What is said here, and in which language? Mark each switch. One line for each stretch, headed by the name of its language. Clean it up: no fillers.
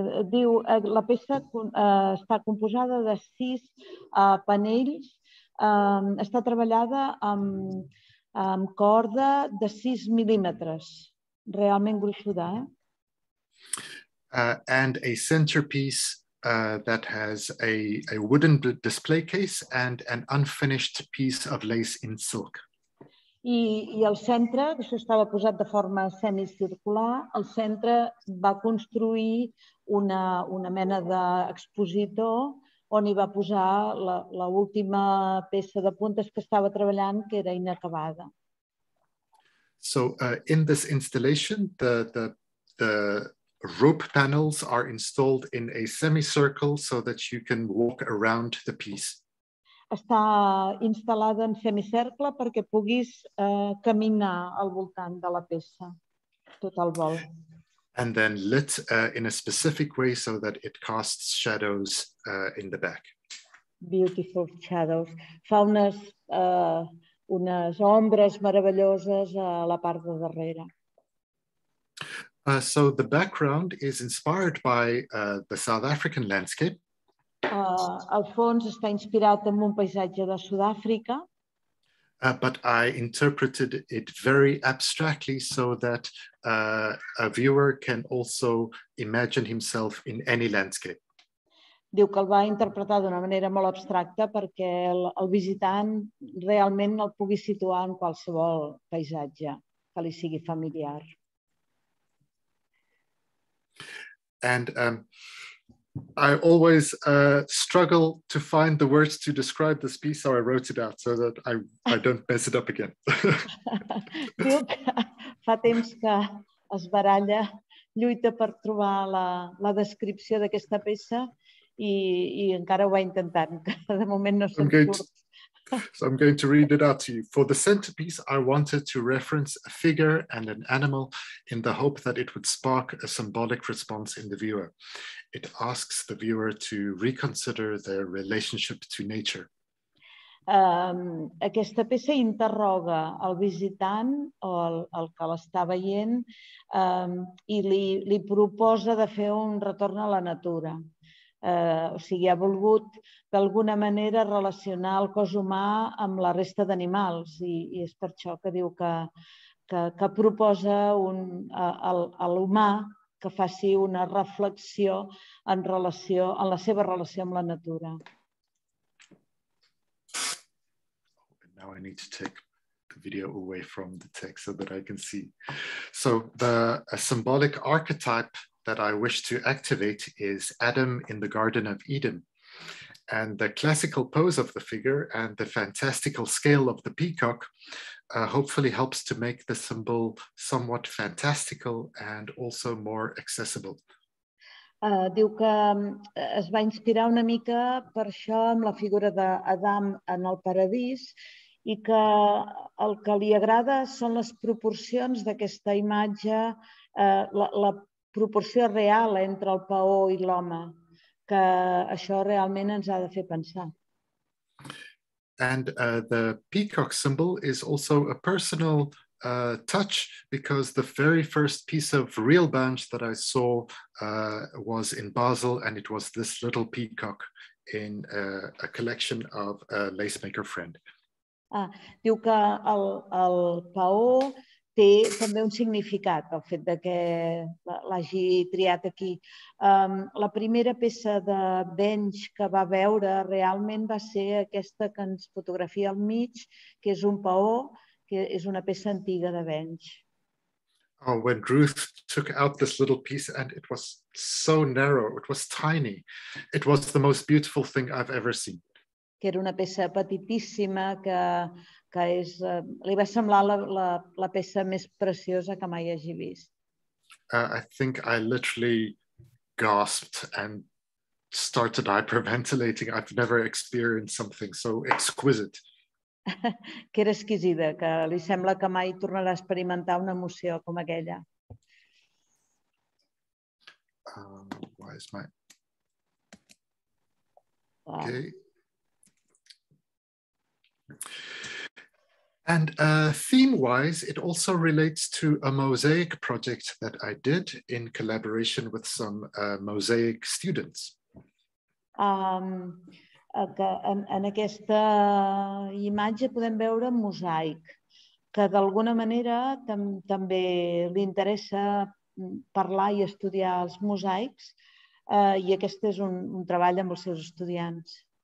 Catalan: Diu, la peça està composada de 6 panells, està treballada amb corda de 6 mil·límetres, realment gruixuda.
English: And a centerpiece that has a wooden display case and an unfinished piece of lace in silk.
Catalan: I el centre, això estava posat de forma semicircular, el centre va construir una mena d'expositor on hi va posar la última peça de puntes que estava treballant, que era inacabada.
English: So in this installation, the rope panels are installed in a semicircle so that you can walk around the piece.
Catalan: Està instal·lada en semicercle perquè puguis caminar al voltant de la peça, tot el vol.
English: And then lit in a specific way so that it casts shadows in the back. Beautiful shadows.
Catalan: Fa unes ombres meravelloses a la part de darrere.
English: So the background is inspired by the South African landscape.
Catalan: El fons està inspirat en un paisatge de Sud-àfrica.
English: But I interpreted it very abstractly so that a viewer can also imagine himself in any landscape.
Catalan: Diu que el va interpretar d'una manera molt abstracta perquè el visitant realment el pugui situar en qualsevol paisatge que li sigui familiar.
English: And I always struggle to find the words to describe this piece, so I wrote it out so that I don't mess it up again.
Catalan: Diu que fa temps que es baralla, lluita per trobar la descripció d'aquesta peça i encara ho va intentant, que de moment no se'n surt.
English: So I'm going to read it out to you. For the centerpiece, I wanted to reference a figure and an animal in the hope that it would spark a symbolic response in the viewer. It asks the viewer to reconsider their relationship to nature.
Catalan: Aquesta peça interroga el visitant o el que l'està veient i li proposa de fer un retorn a la natura. O sigui, ha volgut d'alguna manera relacionar el cos humà amb la resta d'animals i és per això que diu que proposa a l'humà que faci una reflexió en la seva relació amb la natura.
English: Now I need to take the video away from the text so that I can see. So a symbolic archetype that I wish to activate is Adam in the Garden of Eden. And the classical pose of the figure and the fantastical scale of the peacock hopefully helps to make the symbol somewhat fantastical and also more accessible.
Catalan: Diu que es va inspirar una mica per això amb la figura d'Adam en el paradís i que el que li agrada són les proporcions d'aquesta imatge, la proporció real entre el paó i l'home, que això realment ens ha de fer pensar.
English: And the peacock symbol is also a personal touch because the very first piece of real bunch that I saw was in Basel and it was this little peacock in a collection of a lacemaker friend.
Catalan: Diu que el paó té també un significat, el fet que l'hagi triat aquí. La primera peça de Benj que va veure realment va ser aquesta que ens fotografia al mig, que és un paó, que és una peça antiga de Benj.
English: Oh, when Ruth took out this little piece and it was so narrow, it was tiny, it was the most beautiful thing I've ever seen.
Catalan: Que era una peça petitíssima que és, li va semblar la peça més preciosa que mai hagi vist.
English: I think I literally gasped and started hyperventilating. I've never experienced something so exquisite.
Catalan: Que era exquisida, que li sembla que mai tornarà a experimentar una emoció com aquella.
English: Why is my... Okay. And theme-wise, it also relates to a mosaic project that I did in collaboration with some mosaic students.
Catalan: En aquesta imatge podem veure mosaic, que d'alguna manera també li interessa parlar i estudiar els mosaics, i aquest és un treball amb els seus estudiants.